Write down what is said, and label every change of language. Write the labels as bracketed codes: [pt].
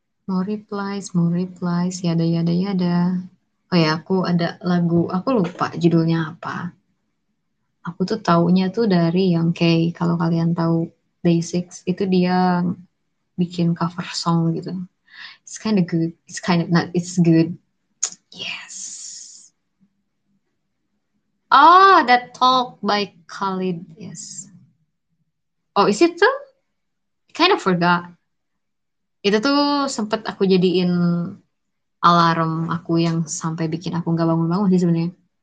[en] More replies, yada yada yada. [id] Oh ya, aku ada lagu, aku lupa judulnya apa. Aku tuh taunya tuh dari yang Kay, kalau kalian tahu Day6, itu dia bikin cover song gitu. [en] It's kind of good, it's kind of not, it's good. Yes. Oh, That Talk by Khalid, yes. Oh, is it too? I kind of forgot. [id] Itu tuh sempet aku jadiin alarm aku yang sampai bikin aku nggak bangun-bangun sih sebenarnya.